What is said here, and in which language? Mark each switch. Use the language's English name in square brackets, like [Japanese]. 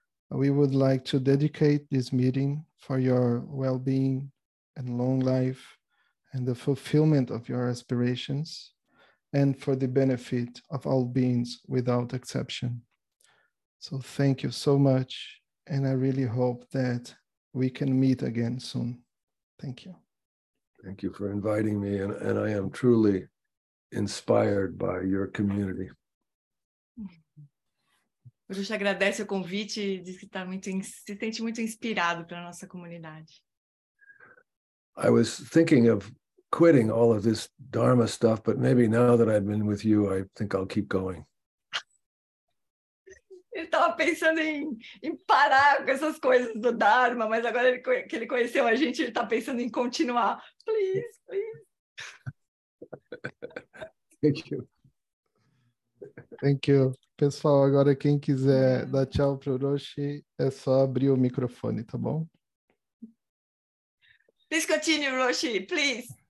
[English] We would like to dedicate this meeting for your well-being and long life and the fulfillment of your aspirations and for the benefit of all beings without exception. So thank you so much. And I really hope that we can meet again soon. Thank you. Thank you for inviting me. And I am truly inspired by your community. [Portuguese] O Roshi agradece o convite e diz que está muito, se sente muito inspirado pela nossa comunidade. [English] I was thinking of quitting all of this Dharma stuff, but maybe now that I've been with you, I think I'll keep going. [Portuguese] Ele estava pensando em parar com essas coisas do Dharma, mas agora que ele conheceu a gente, ele está pensando em continuar. [English] Please, please. Thank you. Thank you. [Portuguese] Pessoal, agora quem quiser dar tchau para o Roshi, é só abrir o microfone, tá bom? [English] Please continue, Roshi, please.